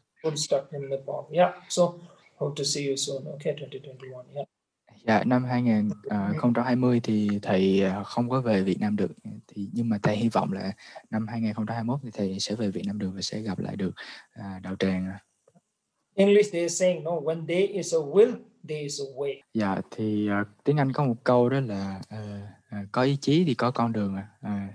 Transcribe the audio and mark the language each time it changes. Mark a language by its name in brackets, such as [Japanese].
[English] I'm stuck in Nepal. Yeah. So hope to see you soon. Okay, 2021. Yeah. Yeah. [Vietnamese] Năm 2020 thì thầy không có về Việt Nam được. Thì nhưng mà thầy hy vọng là năm 2021 thì thầy sẽ về Việt Nam được và sẽ gặp lại được đạo tràng. [English] English, they are saying, no, when there is a will, there is a way. Yeah. [Vietnamese] Thì tiếng Anh có một câu đó là. Có ý chí thì có con đường à.